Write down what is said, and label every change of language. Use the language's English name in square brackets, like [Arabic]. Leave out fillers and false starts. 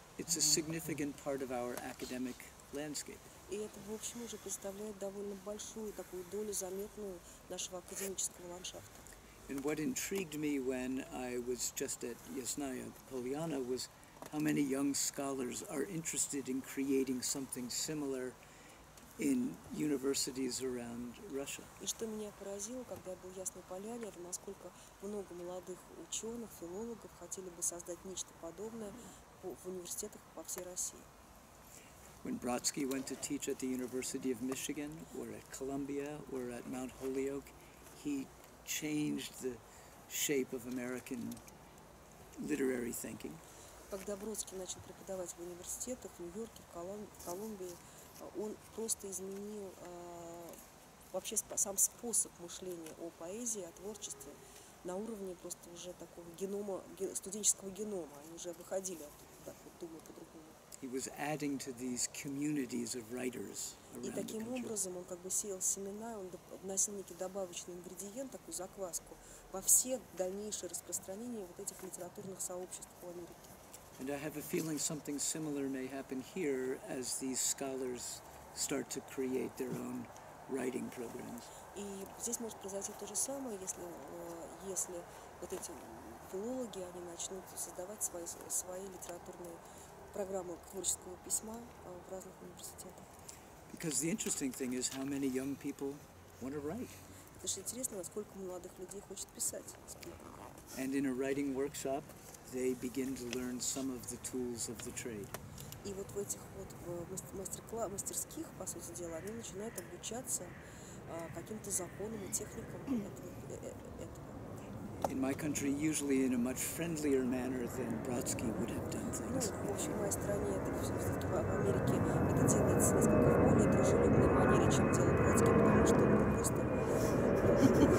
[English] It's a significant part of our academic landscape. [Russian] И это, в общем, уже представляет довольно большую такую долю заметную нашего академического ландшафта. [English] And what intrigued me when I was just at Yasnaya Polyana was how many young scholars are interested in creating something similar in universities around Russia. [Russian] И что меня поразило, когда я был в Ясной Поляне, это насколько много молодых ученых, филологов хотели бы создать нечто подобное в университетах по всей России. [English] When Brodsky went to teach at the University of Michigan, or at Columbia, or at Mount Holyoke, he changed the shape of American literary thinking. [Russian] Когда Бродский начал преподавать в университетах в Нью-Йорке, в Колумбии, он просто изменил вообще сам способ мышления о поэзии, о творчестве на уровне просто уже такого генома, студенческого генома. Они уже выходили оттуда, так вот, думая по-другому. [English] He was adding to these communities of writers around. [Russian] И таким образом он как бы сеял семена, он вносил некий добавочный ингредиент, такую закваску, во все дальнейшие распространения вот этих литературных сообществ в Америке. [English] And I have a feeling something similar may happen here as these scholars start to create their own writing programs. [Russian] И здесь может произойти то же самое, если вот эти филологи, они начнут создавать свои литературные программы творческого письма в разных университетах. [English] Because the interesting thing is how many young people want to write. [Russian] Потому что интересно, насколько молодых людей хочет писать. [English] And in a writing workshop, they begin to learn some of the tools of the trade. [Russian] И вот в этих вот мастерских, по сути дела, они начинают обучаться каким-то законам и техникам этого. [English] In my country, usually in a much friendlier manner than Brodsky would have done things. [Russian] Ну, в общем, в моей стране, это все-таки в Америке, это делается несколько более дружелюбной манере, чем делал Бродский, потому что он просто